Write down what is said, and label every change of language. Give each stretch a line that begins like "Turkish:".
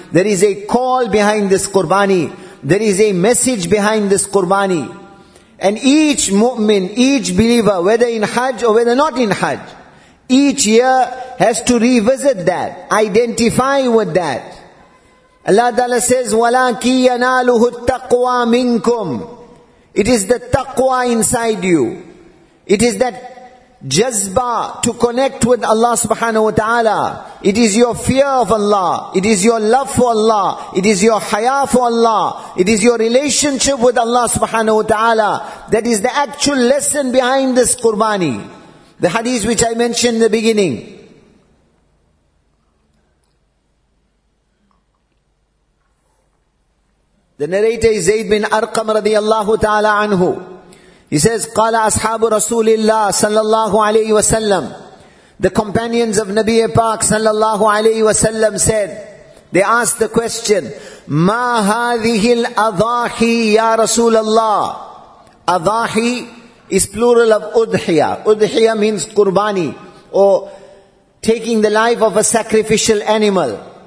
English: There is a call behind this qurbani. There is a message behind this qurbani. And each mu'min, each believer, whether in hajj or whether not in hajj, each year has to revisit that, identify with that. Allah Ta'ala says,
Arabic: وَلَاكِي يَنَالُهُ التَّقْوَى مِنْكُمْ.
English: It is the taqwa inside you. It is that jazba to connect with Allah subhanahu wa ta'ala. It is your fear of Allah. It is your love for Allah. It is your haya for Allah. It is your relationship with Allah subhanahu wa ta'ala. That is the actual lesson behind this qurbani. The hadith which I mentioned in the beginning. The narrator is Zayd bin Arqam radiallahu ta'ala anhu. He says,
Arabic: قَالَ أَصْحَابُ رَسُولِ اللَّهِ صَلَّى اللَّهُ عَلَيْهِ وَسَلَّمُ.
English: The companions of Nabi Pak
Arabic: صَلَّى اللَّهُ عَلَيْهِ وَسَلَّمُ
English: said, they asked the question,
Arabic: مَا هَذِهِ الْأَضَاحِي يَا رَسُولَ اللَّهِ.
English: أَضَاحِي is plural of udhiya. Udhiya means qurbani, or taking the life of a sacrificial animal.